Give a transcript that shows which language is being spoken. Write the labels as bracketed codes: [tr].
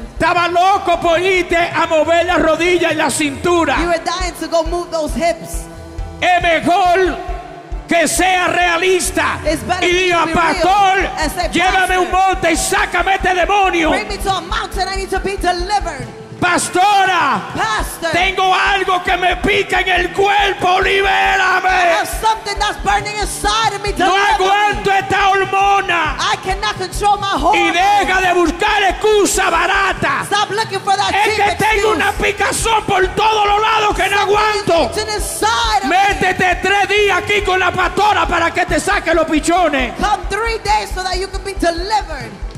[es] Estaba loco por irte a mover las rodillas y la cintura. [en] You were dying to go move those hips. [es] Es mejor que sea realista. [en] It's better [es] y diga, pastor, llévame a un monte y sácame este demonio. [en] Bring me to a mountain, I need to be delivered. [es] Pastora, [en] pastor, [es] tengo algo que me pica en el cuerpo, libérame. [en] I have something that's burning inside of me. [es] No aguanto esta hormona. [en] I cannot control my hormones. [es] Y deja de buscar excusa barata. [en] Stop looking for that cheap excuse. [es] Es que tengo una picazón por todos los lados que [en] something [es] no aguanto. [en] Itching inside of me. [es] Métete tres días aquí con la pastora para que te saque los pichones. [en] Come 3 days so that you can be delivered.